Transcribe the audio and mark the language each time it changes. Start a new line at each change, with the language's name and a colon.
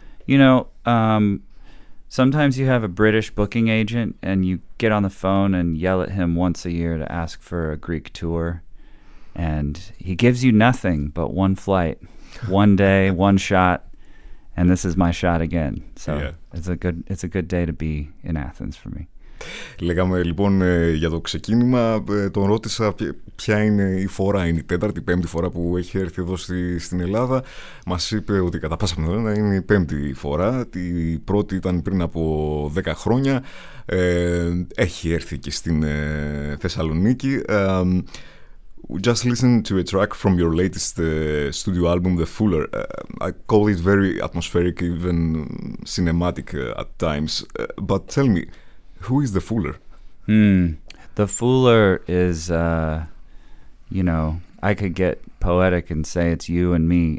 English: You know, sometimes you have a British booking agent and you get on the phone and yell at him once a year to ask for a Greek tour. And he gives you nothing but one flight, one day, one shot. And this is my shot again. So yeah. it's a good day to be in Athens for me.
Greek: Λέγαμε λοιπόν για το ξεκίνημα, τον ρώτησα ποια είναι η φορά, είναι η τέταρτη, πέμπτη φορά που έχει έρθει εδώ στην Ελλάδα. Μας είπε ότι κατά πάσα πιθανότητα είναι η πέμπτη φορά, η πρώτη ήταν πριν από 10 χρόνια, έχει έρθει και στην Θεσσαλονίκη.
English: We just listened to a track from your latest studio album, The Fuller. I call it very atmospheric, even cinematic at times, but tell me, Who is the fooler? The fooler is, you know, I could get poetic and say it's you and me.